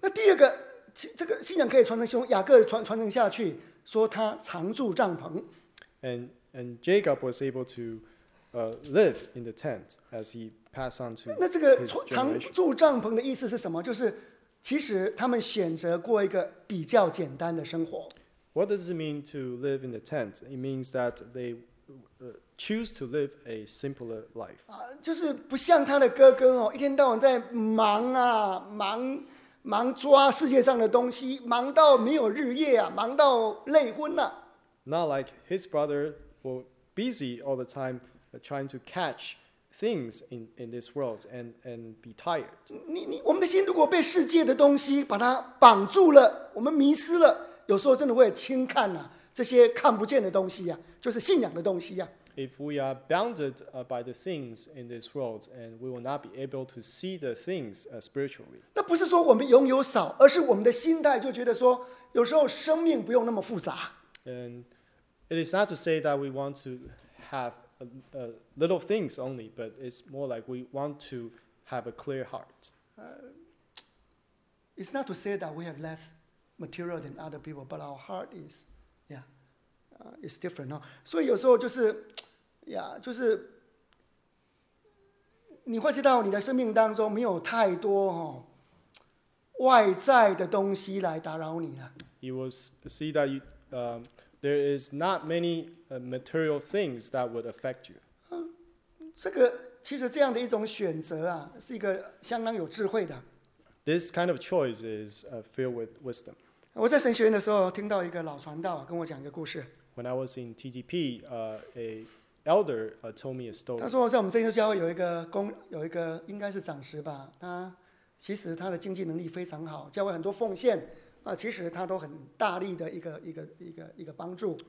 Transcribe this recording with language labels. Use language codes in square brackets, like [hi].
[zh] 那第二个，这个信仰可以传承，雅各传承下去，说他常住帐篷。 [en] And Jacob was able to. Live in the tent as he passed on to his generation. [zh] 那这个常住帐篷的意思是什么？就是其实他们选择过一个比较简单的生活。 [en] What does it mean to live in the tent? It means that they choose to live a simpler life. [zh] 就是不像他的哥哥一天到晚在忙忙抓世界上的东西，忙到没有日夜忙到累昏了。 [en] Not like his brother were busy all the time. Trying to catch things in this world and be tired. [zh] 我们的心如果被世界的东西把它绑住了，我们迷失了，有时候真的会轻看这些看不见的东西就是信仰的东西 [en] If we are bounded by the things in this world, and we will not be able to see the things spiritually. [zh] 那不是说我们拥有少，而是我们的心态就觉得说，有时候生命不用那么复杂。 [en] And it is not to say that we want to have. Little things only, but it's more like we want to have a clear heart. It's not to say that we have less material than other people, but our heart is, it's different. [zh] 所以有时候就是，就是你会知道你的生命当中没有太多外在的东西来打扰你了。 [en] You will see that there is not many material things that would affect you. [zh] 这个其实这样的一种选择是一个相当有智慧的。 [en] This kind of choice is filled with wisdom. [zh] 我在神学院的时候听到一个老传道跟我讲一个故事。 [en] When I was in TGP, a elder told me a story. [zh] 他说在我们真耶稣教会有一个应该是长执吧，他其实他的经济能力非常好，教会很多奉献。其实他都很大力的一个帮助。